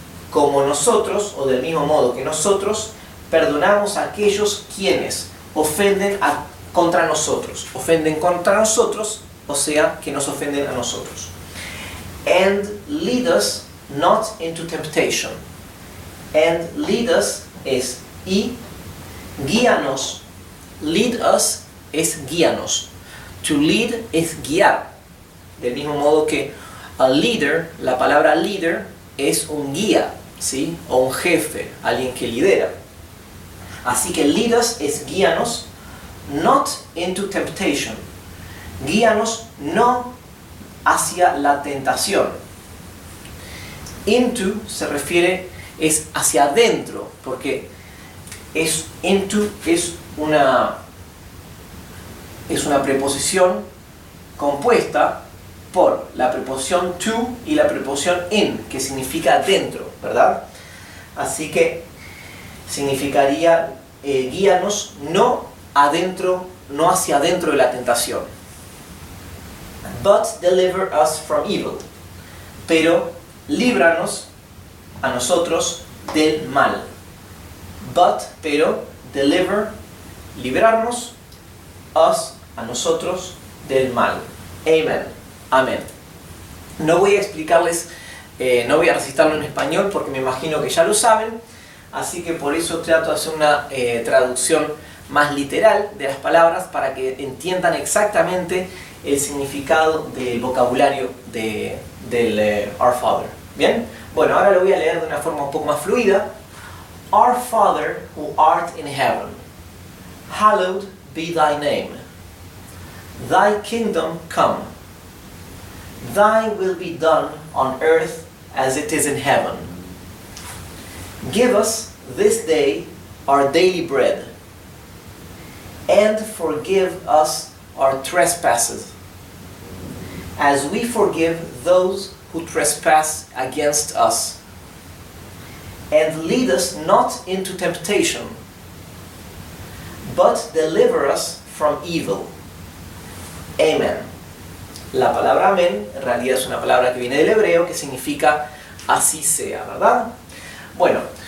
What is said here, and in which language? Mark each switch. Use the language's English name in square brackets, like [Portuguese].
[Spanish] Como nosotros, o del mismo modo que nosotros, perdonamos a aquellos quienes ofenden contra nosotros. Ofenden contra nosotros, o sea, que nos ofenden a nosotros. [English] And lead us not into temptation. And lead us [Spanish] es y guíanos. [English] Lead us [Spanish] es guíanos. [English] To lead [Spanish] es guiar. Del mismo modo que a leader, la palabra leader es un guía, ¿sí? O un jefe, alguien que lidera. Así que [English] lead us [Spanish] es guíanos, [English] not into temptation. [Spanish] Guíanos no hacia la tentación. Into se refiere, es hacia adentro, porque es, into es una preposición compuesta por la preposición to y la preposición in, que significa dentro, ¿verdad? Así que significaría, guíanos no adentro, no hacia adentro de la tentación. [English] But deliver us from evil. [Spanish] Pero líbranos a nosotros del mal. [English] But, [Spanish] pero, [English] deliver, [Spanish] librarnos, [English] us, [Spanish] a nosotros, del mal. Amen. Amén. No voy a explicarles, no voy a recitarlo en español porque me imagino que ya lo saben. Así que por eso trato de hacer una traducción más literal de las palabras para que entiendan exactamente el significado del vocabulario del Our Father. ¿Bien? Bueno, ahora lo voy a leer de una forma un poco más fluida. [English] Our Father who art in heaven, hallowed be thy name. Thy kingdom come. Thy will be done on earth as it is in heaven. Give us this day our daily bread, and forgive us our trespasses, as we forgive those who trespass against us. And lead us not into temptation, but deliver us from evil. Amen. [Spanish] La palabra amén en realidad es una palabra que viene del hebreo que significa así sea, ¿verdad? Bueno,